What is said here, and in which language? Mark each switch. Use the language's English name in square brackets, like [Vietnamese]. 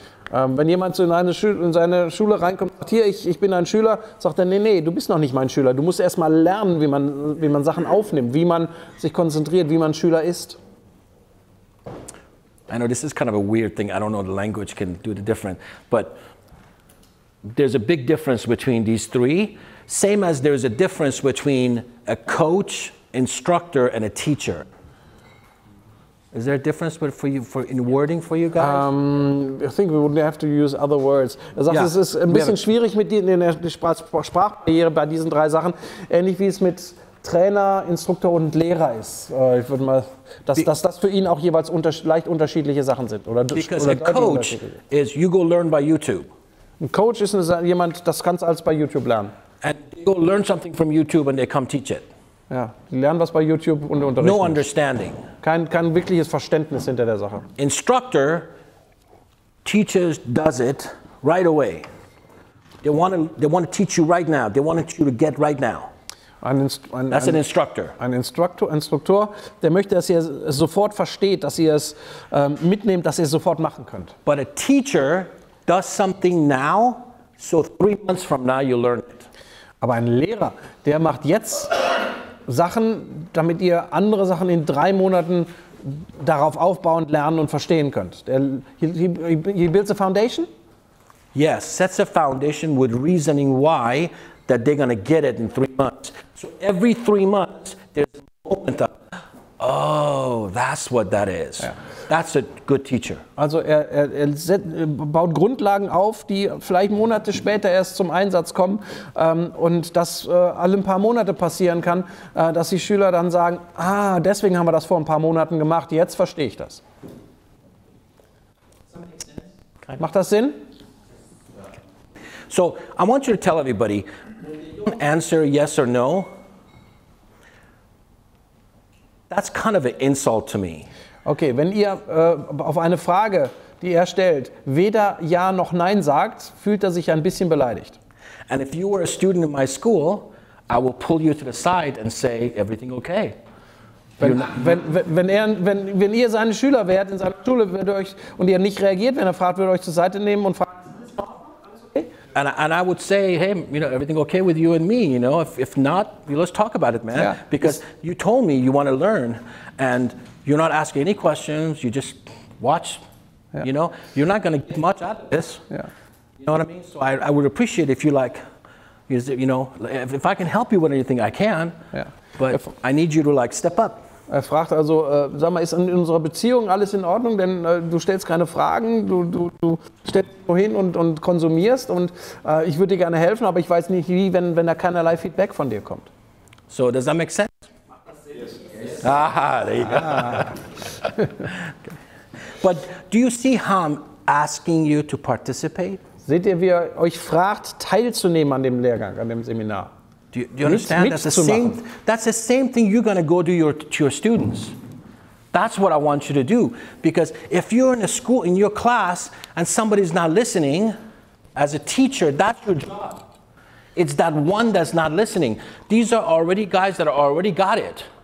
[German] Wenn jemand in seine Schule reinkommt, sagt, hier, ich bin ein Schüler, sagt er, nee, du bist noch nicht mein Schüler. Du musst erst mal lernen, wie man Sachen aufnimmt, wie man sich konzentriert, wie man Schüler ist. [English] I know this is kind of a weird thing. I don't know the language can do the difference, but there's a big difference between these three. Same as there's a difference between a coach, instructor, and a teacher. Is there a difference for wording for you guys? I think we would have to use other words. [German] Er sagt, es ist ein bisschen schwierig mit der Sprachbarriere bei diesen drei Sachen, ähnlich wie es mit Trainer, Instruktor und Lehrer ist. Ich würde mal, dass das für ihn auch jeweils leicht unterschiedliche Sachen sind. [English] Because a coach is you go learn by YouTube. [German] Ein Coach ist jemand, das kannst du alles bei YouTube lernen. [English] And you go learn something from YouTube and they come teach it. [German] Ja, die lernen was bei YouTube und unterrichten. [English] No understanding. [German] Kein wirkliches Verständnis hinter der Sache. [English] Instructor teaches, does it right away. They want to teach you right now. They want you to get right now. That's an instructor. [German] Ein Instruktor, der möchte, dass ihr es sofort versteht, dass ihr es mitnehmt, dass ihr es sofort machen könnt. [English] But a teacher does something now, so 3 months from now you learn it. [German] Aber ein Lehrer, der macht jetzt Sachen, damit ihr andere Sachen in 3 Monaten darauf aufbauend lernen und verstehen könnt. [English] He builds a foundation? Yes, sets a foundation with reasoning why that they're going to get it in 3 months. So every 3 months, there's a moment of, oh, that's what that is. Yeah. That's a good teacher. [German] Also baut Grundlagen auf, die vielleicht Monate später erst zum Einsatz kommen und das alle ein paar Monate passieren kann, dass die Schüler dann sagen, ah, deswegen haben wir das vor ein paar Monaten gemacht, jetzt verstehe ich das. Macht das Sinn? [English] So I want you to tell everybody, answer yes or no, that's kind of an insult to me. [German] Okay, wenn ihr auf eine Frage, die er stellt, weder Ja noch Nein sagt, fühlt er sich ein bisschen beleidigt. [English] And if you were a student in my school, I will pull you to the side and say everything okay. [German] Wenn ihr seine Schüler wärt in seiner Schule, würde euch und ihr nicht reagiert, wenn er fragt, würde euch zur Seite nehmen und fragen, alles okay? [English] And I would say, hey, you know, everything okay with you and me, you know? If not, let's talk about it, man. Yeah. Because you told me you want to learn and you're not asking any questions, you just watch, yeah. You know? You're not going to get much out of this. Yeah. You know what I mean? So I would appreciate if you like, you know, if I can help you with anything, I can. Yeah. But I need you to like step up. [German] Er fragt also, sag mal, ist in unserer Beziehung alles in Ordnung? Denn du stellst keine Fragen, du stellst nur hin und konsumierst und ich würde dir gerne helfen, aber ich weiß nicht wie, wenn da keinerlei Feedback von dir kommt. [English] So, does that make sense? Aha, there you go. But do you see how I'm asking you to participate? [German] Seht ihr, wie er euch fragt, teilzunehmen an dem Lehrgang, an dem Seminar? [English] Do you understand? That's the same thing you're going to go do to your students. That's what I want you to do. Because if you're in a school, in your class, and somebody's not listening, as a teacher, that's your job. It's that one that's not listening. These are already guys that are already got it.